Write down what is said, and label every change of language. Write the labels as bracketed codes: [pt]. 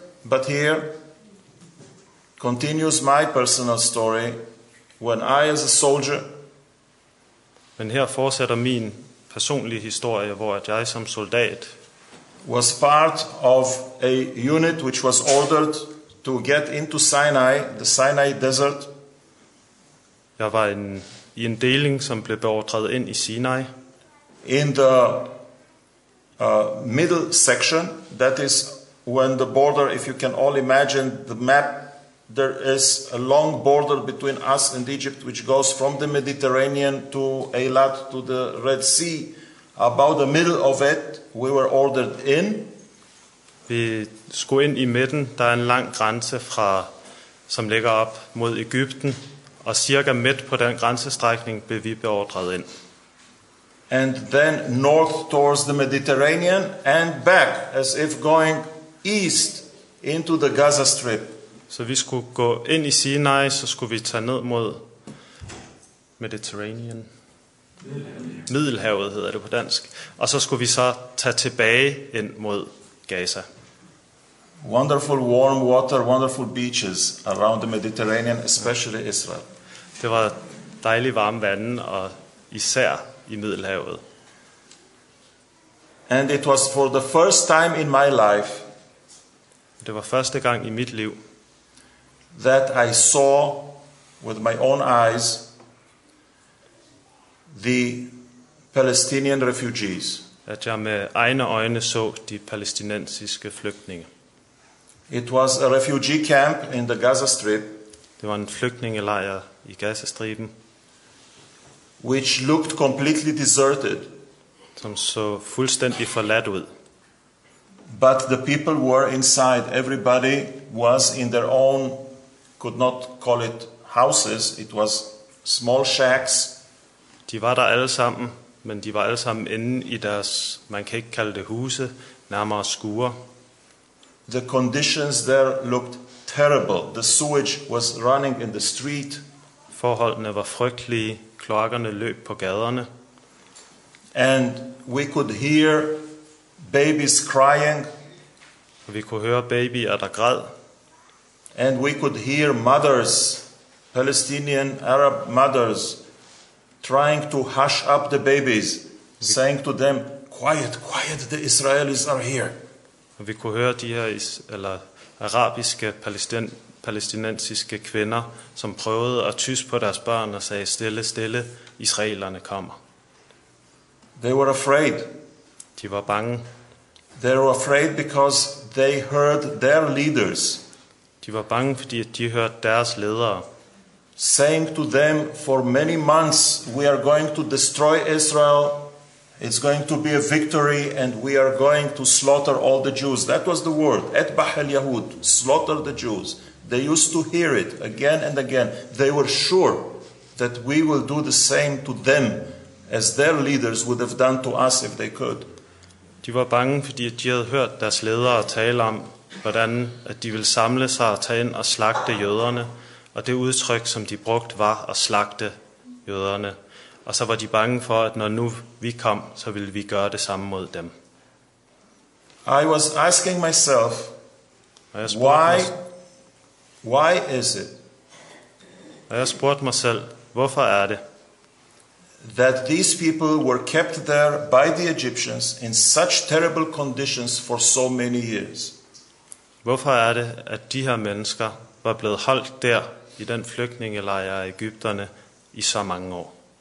[en] But here continues my personal story when I as a soldier. [da] Men her fortsætter min personlige historie, hvor at jeg som soldat [en] was part of a unit which was ordered to get into Sinai, the Sinai desert. [da] Jeg var i en deling, som blev beordret ind i Sinai. [en] In the middle section, that is when the border, if you can all imagine the map, there is a long border between us and Egypt, which goes from the Mediterranean to Eilat to the Red Sea. About the middle of it, we were ordered in. [da] Vi skulle ind i midten. Der er en lang grænse fra, som ligger op mod Egypten, og cirka midt på den grænsestrækning blev vi beordret ind. [en] And then north towards the Mediterranean and back, as if going east into the Gaza Strip. [da] Så vi skulle gå ind i Sinai, så skulle vi tage ned mod Mediterranean. Middelhavet hedder det på dansk. Og så skulle vi så tage tilbage ind mod Gaza. [en] Wonderful warm water, wonderful beaches around the Mediterranean, especially Israel. [da] Det var dejlig varme vande, og især i Middelhavet. [en] And it was for the first time in my life. [da] Det var første gang i mit liv. [en] That I saw with my own eyes the Palestinian refugees. [da] At jeg med egne øjne så de palæstinensiske flygtninge. [en] It was a refugee camp in the Gaza Strip. [da] Det var en flygtningelejr i Gazastriben. [en] Which looked completely deserted. [da] Som så fuldstændig forladt ud. [en] But the people were inside. Everybody was in their own. Could not call it houses, it was small shacks. [da] De var der alle sammen, men de var alle sammen inde i deres, man kan ikke kalde det huse, nærmere skure. [en] The conditions there looked terrible. The sewage was running in the street. [da] Forholdene var frygtelige, kloakkerne løb på gaderne. [en] And we could hear babies crying. [da] Og vi kunne høre babyer, der græd. [en] And we could hear mothers, Palestinian Arab mothers, trying to hush up the babies, saying to them, "Quiet, quiet! The Israelis are here." [da] Vi kunne høre de her eller arabiske palæstinensiske kvinder, som prøvede at tyske på deres børn og sagde, "Stille, stille! Israelerne kommer." [en] They were afraid. [da] De var bange. [en] They were afraid because they heard their leaders. [da] De var bange, fordi de hørte deres ledere. [en] Saying to them, for many months we are going to destroy Israel. It's going to be a victory and we are going to slaughter all the Jews. That was the word. [ar] Etbah al-Yahud. [en] Slaughter the Jews. They used to hear it again and again. They were sure that we will do the same to them as their leaders would have done to us if they could. [da] De var bange, fordi de havde hørt deres ledere tale om, hvordan at de ville samle sig og tage ind og slagte jøderne. Og det udtryk, som de brugte, var at slagte jøderne. Og så var de bange for, at når nu vi kom, så ville vi gøre det samme mod dem. [en] I was asking myself, why is it? [da] Og jeg spurgte mig selv, hvorfor er det? [en] That these people were kept there by the Egyptians in such terrible conditions for so many years. [da] Hvorfor er det, at de her mennesker var blevet holdt der i den flygtningelejr i Egypterne i så mange år?